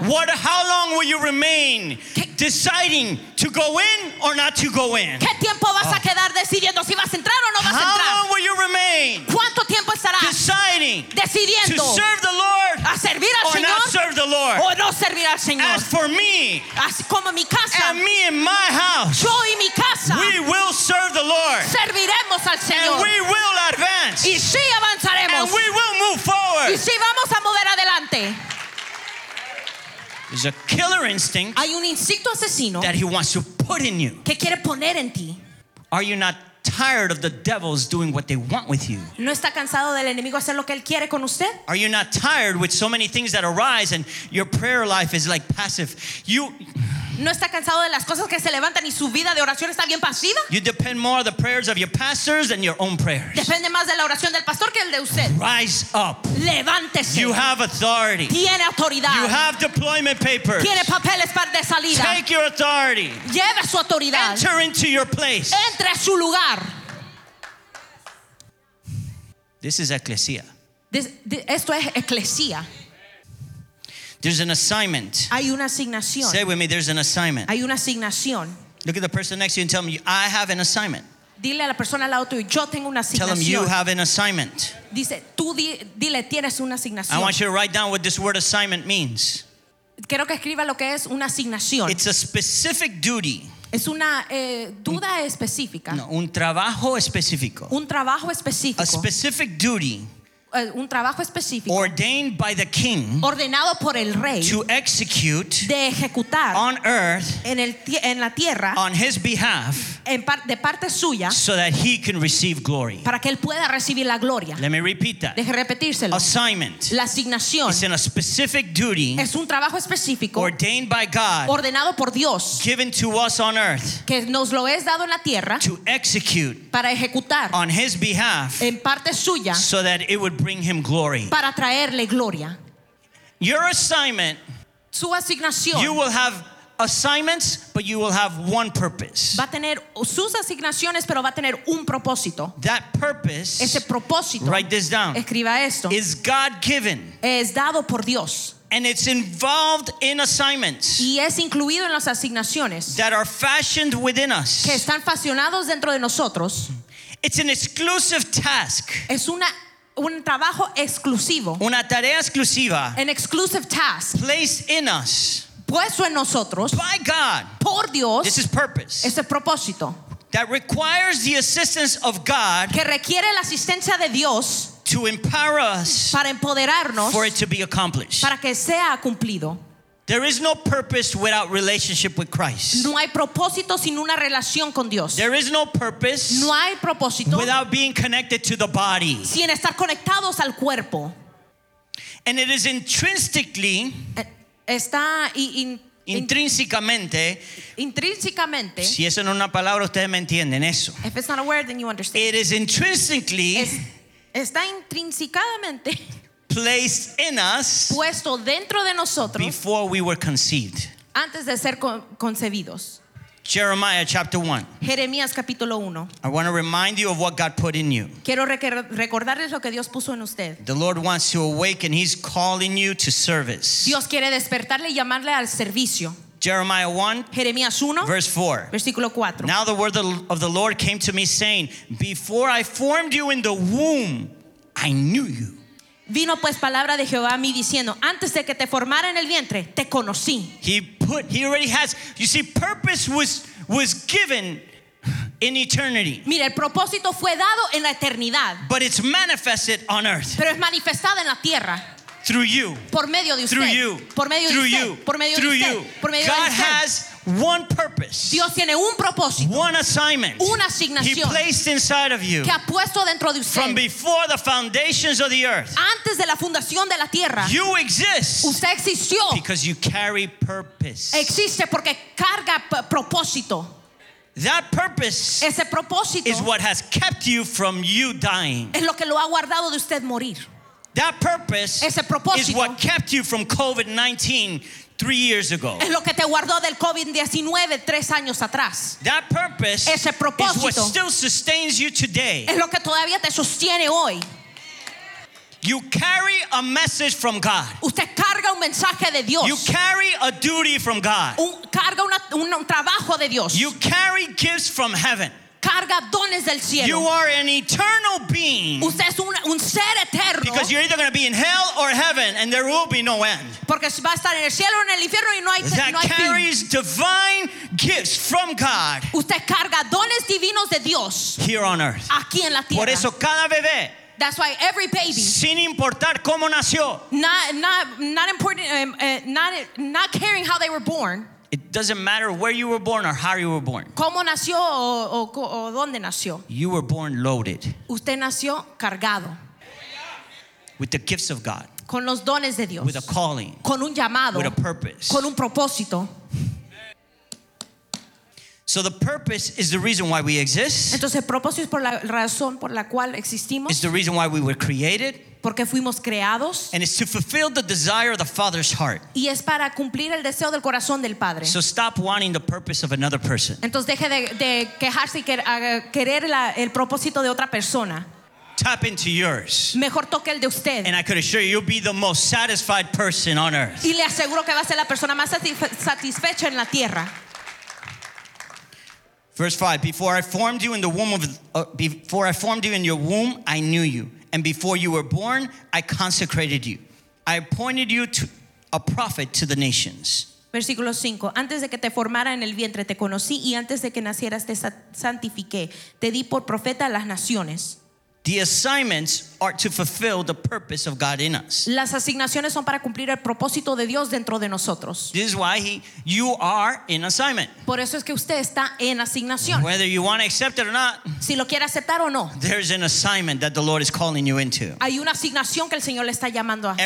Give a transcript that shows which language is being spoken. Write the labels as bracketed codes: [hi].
[en] How long will you remain? deciding to go in or not to go in. [es] ¿Qué tiempo vas a quedar decidiendo si vas a entrar o no vas a entrar? [en] How long will you remain? [es] ¿Cuánto tiempo estarás [en] deciding [es] decidiendo [en] to serve the Lord [es] a servir al [en] or [es] Señor [en] not serve the Lord? [es] O no servir al Señor. [en] As for me, [es] así como mi casa, [en] and me and my house, [es] yo y mi casa, [en] we will serve the Lord. [es] Serviremos al Señor. [en] And we will advance. [es] Y sí avanzaremos. [en] And we will move forward. [es] Y sí vamos a mover adelante. [en] There's a killer instinct. [es] Hay un instinto asesino [en] that he wants to put in you. [es] Que quiere poner en ti. [en] Are you not tired of the devils doing what they want with you? [es] ¿No está cansado del enemigo hacer lo que él quiere con usted? [en] Are you not tired with so many things that arise and your prayer life is like passive? [es] ¿No está cansado de las cosas que se levantan y su vida de oración está bien pasiva? [en] You depend more on the prayers of your pastors than your own prayers. [es] Depende más de la oración del pastor que el de usted. [en] Rise up. [es] Levántese. [en] You have authority. [es] Tiene autoridad. [en] You have deployment papers. [es] Tiene papeles para de salida. [en] Take your authority. [es] Lleve su autoridad. [en] Enter into your place. [es] Entre a su lugar. [en] This is ecclesia. [es] Esto es ecclesia. [en] There's an assignment. [es] Hay una asignación. [en] Say with me, there's an assignment. [es] Hay una asignación. [en] Look at the person next to you and tell them, I have an assignment. [es] Dile a la persona al lado tuyo, yo tengo una asignación. [en] Tell them, you have an assignment. [es] Dice, tú dile, tienes una asignación. [en] I want you to write down what this word assignment means. [es] Quiero que escriba lo que es una asignación. [en] It's a specific duty. [es] Es una duda específica. No, un trabajo específico. Un trabajo específico. [en] A specific duty. [es] Un trabajo específico [en] ordained by the king, [es] ordenado por el rey, [en] to execute, [es] de ejecutar, [en] on earth, [es] en la tierra, [en] on his behalf, [es] de parte suya, [en] so that he can receive glory, [es] para que él pueda recibir la gloria. [en] Let me repeat that. [es] Deje repetírselo. [en] Assignment. [es] La asignación. [en] It's in a specific duty. [es] Es un trabajo específico [en] ordained by God, [es] ordenado por Dios, [en] given to us on earth, [es] que nos lo es dado en la tierra, [en] to execute, [es] para ejecutar, [en] on his behalf, [es] en parte suya, [en] so that it would bring him glory. [es] Para traerle gloria. [en] Your assignment. [es] Su asignación. [en] You will have assignments, but you will have one purpose. [es] Va a tener sus asignaciones, pero va a tener un propósito. [en] That purpose. [es] Ese propósito. [en] Write this down. [es] Escriba esto. [en] Is God-given. [es] Es dado por Dios. [en] And it's involved in assignments. [es] Y es incluido en las asignaciones. [en] That are fashioned within us. [es] Que están fashionados dentro de nosotros. [en] It's an exclusive task. [es] Es una un trabajo exclusivo, una tarea exclusiva, [en] an exclusive task, placed in us, [es] puesto en nosotros, [en] by God, [es] por Dios. [en] This is purpose, [es] es el propósito, [en] that requires the assistance of God, [es] que requiere la asistencia de Dios, [en] to empower us, [es] para empoderarnos, [en] for it to be accomplished, [es] para que sea cumplido. [en] There is no purpose without relationship with Christ. [es] No hay propósito sin una relación con Dios. [en] There is no purpose. [es] No hay propósito [en] without being connected to the body. [es] Sin estar conectados al cuerpo. [en] And it is intrinsically. [es] Está intrínsecamente. Intrínsecamente. Si eso no es una palabra, ustedes me entienden eso. [en] If it's not a word, then you understand. It is intrinsically. [es] Está intrínsecamente. [en] Placed in us, [es] puesto dentro de nosotros, [en] before we were conceived, [es] antes de ser concebidos. [en] Jeremiah chapter 1. [es] Jeremías capítulo 1. [en] I want to remind you of what God put in you. [es] Quiero recordarles lo que Dios puso en usted. [en] The Lord wants to awaken. He's calling you to service. [es] Dios quiere despertarle y llamarle al servicio. [en] Jeremiah 1, [es] Jeremías 1, [en] verse 4. [es] Versículo 4. [en] Now the word of the Lord came to me saying, before I formed you in the womb, I knew you. [es] Vino pues palabra de Jehová a mí diciendo, antes de que te formara en el vientre, te conocí. [en] He already has, you see, purpose was given in eternity. [es] Mira, el propósito fue dado en la eternidad. [en] But it's manifested on earth. [es] Pero es manifestado en la tierra. [en] Through you. [es] Por medio de usted. [en] Through you. [es] Por medio [en] through [es] de usted. [en] You. [es] Por medio [en] through [es] de usted. [en] You. [es] Por medio [en] God [es] de usted. [en] God has one purpose. [es] Dios tiene un propósito. [en] One assignment. [es] Una asignación. [en] He placed inside of you. [es] Que ha puesto dentro de usted. [en] From before the foundations of the earth. [es] Antes de la fundación de la tierra. [en] You exist. [es] Usted existió. [en] Because you carry purpose. [es] Existe porque carga propósito. [en] That purpose. [es] Ese propósito. [en] Is what has kept you from you dying. [es] Es lo que lo ha guardado de usted morir. [en] That purpose. [es] Ese propósito. [en] Is what kept you from COVID-19. 3 years ago. [es] Es lo que te guardó del COVID-19 tres años atrás. [en] That purpose. [es] Ese propósito. [en] Is what still sustains you today. [es] Es lo que todavía te sostiene hoy. [en] You carry a message from God. [es] Usted carga un mensaje de Dios. [en] You carry a duty from God. [es] Carga un trabajo de Dios. [en] You carry gifts from heaven. [es] Carga dones del cielo. [en] You are an eternal being. [es] Usted es un ser eterno. [en] Because you're either going to be in hell or heaven, and there will be no end. [es] Porque va a estar en el cielo o en el infierno y no hay fin. [en] That carries divine gifts from God. [es] Usted carga dones divinos de Dios. [en] Here on earth. [es] Aquí en la tierra. Por eso cada bebé. [en] That's why every baby, [es] sin importar cómo nació, [en] not caring how they were born. It doesn't matter where you were born or how you were born. [es] ¿Cómo nació o dónde nació? [en] You were born loaded. [es] Usted nació cargado. [en] With the gifts of God. [es] Con los dones de Dios. [en] With a calling. [es] Con un llamado. [en] With a purpose. [es] Con un propósito. [en] So the purpose is the reason why we exist. [es] Entonces, el propósito es por la razón por la cual existimos. [en] It's the reason why we were created. [es] Porque fuimos creados. [en] And it's to fulfill the desire of the Father's heart. [es] Y es para cumplir el deseo del corazón del Padre. [en] So stop wanting the purpose of another person. [es] Entonces, deje de quejarse y querer el propósito de otra persona. [en] Tap into yours. [es] Mejor toque el de usted. [en] And I could assure you, you'll be the most satisfied person on earth. [es] Y le aseguro que va a ser la persona más satisfecha en la tierra. [en] Verse 5, before I formed you in your womb, I knew you. And before you were born, I consecrated you. I appointed you to a prophet to the nations. [es] Versículo 5, antes de que te formara en el vientre, te conocí, y antes de que nacieras, te santifiqué. Te di por profeta a las naciones. [en] The assignments are to fulfill the purpose of God in us. [es] Las asignaciones son para cumplir el propósito de Dios dentro de nosotros. [en] This is why you are in assignment. [es] Por eso es que usted está en asignación. [en] Whether you want to accept it or not. [es] Si lo quiere aceptar o no. [en] There's an assignment that the Lord is calling you into. [es] Hay una asignación que el Señor le está llamando a hacer.